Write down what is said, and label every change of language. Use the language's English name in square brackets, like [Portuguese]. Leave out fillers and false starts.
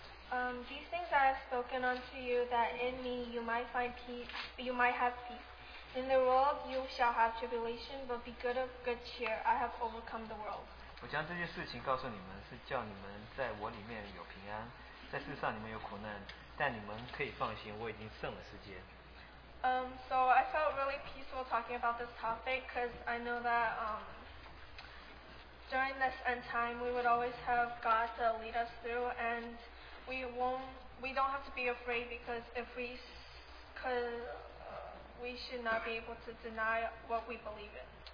[English] These things I have spoken unto you, that in me you might find peace, you might have peace. In the world you shall have tribulation, but be good cheer, I have overcome the world. [Chinese] 我将这些事情告诉你们，是叫你们在我里面有平安，在世上你们有苦难，但你们可以放心，我已经胜了世界。 [English] So I felt really peaceful talking about this topic, because I know that during this end time, we would always have God to lead us through, and we don't have to be afraid, because we should not be able to deny what we believe in.